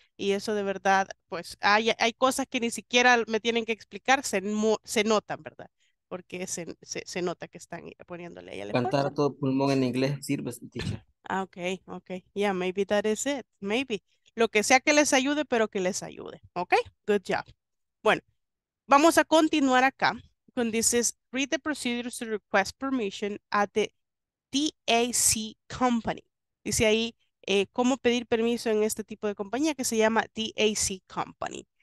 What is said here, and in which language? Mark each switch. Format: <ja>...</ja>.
<es>Y eso de verdad, pues hay cosas que ni siquiera me tienen que explicar. Se notan, ¿verdad? Porque se nota que están poniéndole ahí al esfuerzo. Cantar a todo pulmón en inglés sirve, teacher.</es> <en>Ah, okay, okay. Yeah, maybe that is it. Maybe.</en> <es>Lo que sea que les ayude, pero que les ayude.</es> <en>Okay, good job.</en> <es>Bueno, vamos a continuar acá.</es> <en>When this is read the procedures to request permission at the DAC company.</en> <es>Dice ahí cómo pedir permiso en este tipo de compañía que se llama DAC company.</es>